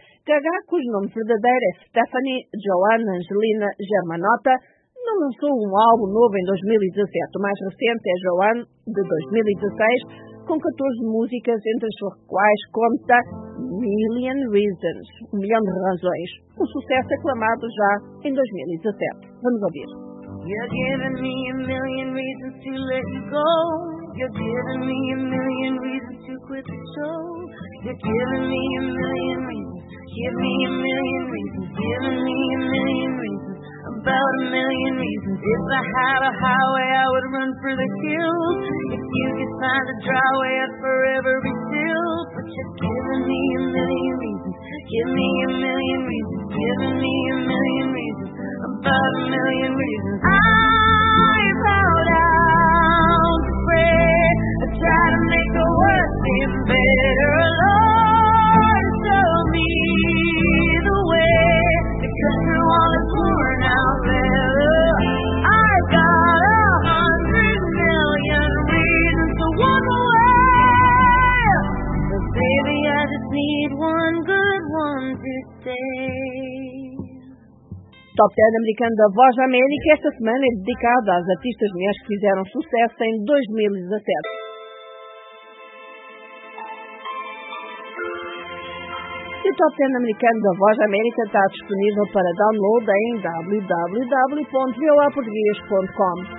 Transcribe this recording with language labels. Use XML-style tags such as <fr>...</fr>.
<pt>Gaga, cujo nome verdadeiro é Stephanie Joanne Angelina Germanotta, não lançou um álbum novo em 2017. O mais recente é Joanne, de 2016, com 14 músicas, entre as quais conta Million Reasons, 1 milhão de razões. Um sucesso aclamado já em 2017. Vamos ouvir.</pt> <en>You're giving me a million reasons to let you go. You're giving me a million reasons to quit the show. You're giving me a million reasons. Give me a million reasons. Giving me a million reasons. About a million reasons. If I had a highway, I would run for the hills. If you could find the driveway, I'd forever be still. But you're giving me a million reasons. Give me a million reasons. Giving me a million reasons. About a million reasons. I bow down to pray. I try to make the world seem better. Lord, show me the way. Because you're all the poor now, better. I've got 100 million reasons to walk away. But baby, I just need one good one to stay.</en> <pt>Top 10 americano da Voz da América esta semana é dedicado às artistas mulheres que fizeram sucesso em 2017. E o Top 10 americano da Voz da América está disponível para download em www.voaportugues.com.</pt>